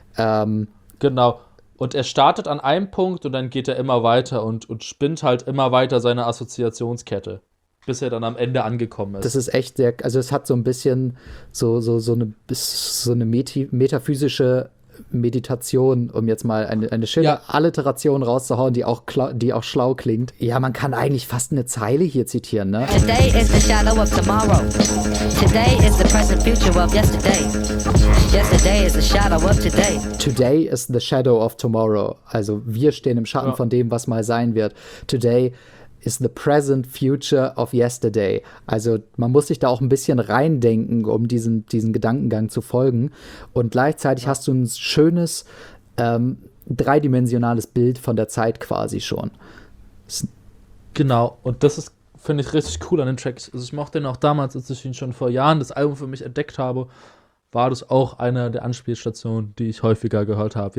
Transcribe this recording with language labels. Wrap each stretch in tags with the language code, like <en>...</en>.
<de>Genau, und er startet an einem Punkt und dann geht er immer weiter und spinnt halt immer weiter seine Assoziationskette, bis er dann am Ende angekommen ist. Das ist echt sehr, also es hat so ein bisschen so eine metaphysische Meditation, um jetzt mal eine schöne Alliteration rauszuhauen, die auch schlau klingt. Ja, man kann eigentlich fast eine Zeile hier zitieren, ne?</de> <en>Today is the shadow of tomorrow. Today is the present future of yesterday. Yesterday is the shadow of today. Today is the shadow of tomorrow.</en> <de>Also wir stehen im Schatten von dem, was mal sein wird.</de> <en>Today is the present future of yesterday.</en> <de>Also man muss sich da auch ein bisschen reindenken, um diesen Gedankengang zu folgen. Und gleichzeitig hast du ein schönes dreidimensionales Bild von der Zeit quasi schon. Genau, und das ist, finde ich, richtig cool an den Tracks. Also ich mochte den auch damals, als ich ihn schon vor Jahren das Album für mich entdeckt habe, war das auch eine der Anspielstationen, die ich häufiger gehört habe.</de>